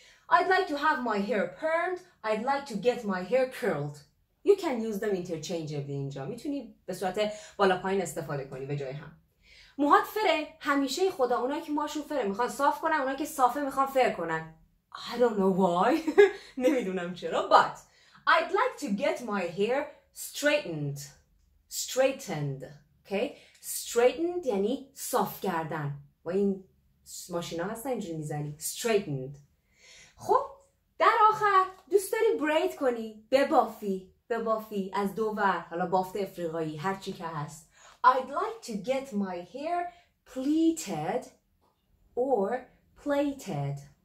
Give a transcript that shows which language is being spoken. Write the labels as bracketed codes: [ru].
[en] I'd like to have my hair permed. I'd like to get my hair curled. You can use them interchangeably [fa] اینجا. میتونی به صورت بالا پایین استفاده کنی به جای هم. موهات فره همیشه خدا اونایی که موهاشون فره میخوان صاف کنن، اونایی که صافه میخوان فر کنن. [en] I don't know why. [fa] نمیدونم چرا. [en] But I'd like to get my hair straightened. Straightened. Okay? Straightened [fa] یعنی صاف کردن. و این ماشینا هستن اینجوری میزنی. [en] Straightened. [fa] خب در آخر دوست داری برید کنی، ببافی، ببافی از دو ور، حالا بافت افریقایی هر چی که هست. [en] I'd like to get my hair pleated or plaited.